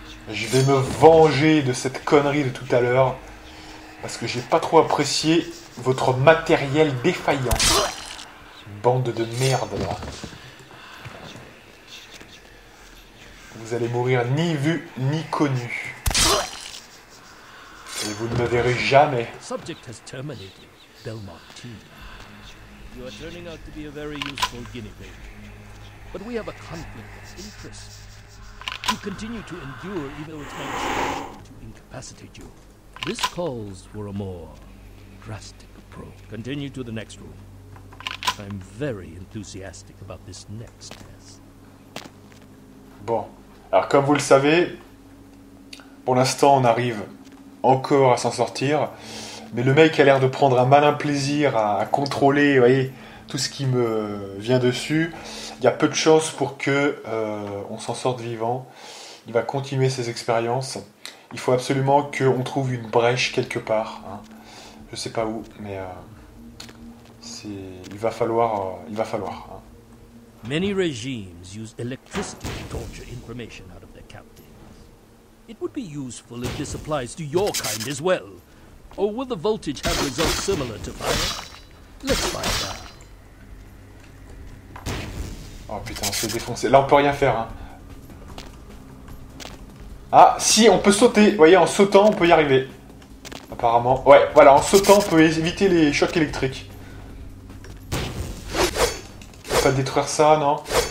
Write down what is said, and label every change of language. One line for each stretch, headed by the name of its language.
French: Je vais me venger de cette connerie de tout à l'heure parce que j'ai pas trop apprécié votre matériel défaillant. Bande de merde là. Vous allez mourir ni vu ni connu. Et vous ne me verrez jamais.
English: Subject has terminated, Belmont team. You are turning out to be a very useful guinea pig. But we have a conflict of interest. You continue to endure evil attempts to incapacitate you. This calls for a more drastic approach. Continue to the next room. I'm very enthusiastic about this next test.
French: Bon. Alors comme vous le savez, pour l'instant on arrive encore à s'en sortir, mais le mec a l'air de prendre un malin plaisir à contrôler, vous voyez, tout ce qui me vient dessus. Il y a peu de chances pour que on s'en sorte vivant. Il va continuer ses expériences. Il faut absolument qu'on trouve une brèche quelque part, hein. Je sais pas où, mais il va falloir, hein.
English: Many regimes use electricity to torture information out of their captives. It would be useful if this applies to your kind as well. Or will the voltage have results similar to fire? Let's find out.
French: Oh putain, on s'est défoncé. Là, on peut rien faire, hein. Ah, si, on peut sauter. Vous voyez, en sautant, on peut y arriver. Apparemment. Ouais, voilà, en sautant, on peut éviter les chocs électriques. On peut pas détruire ça, non?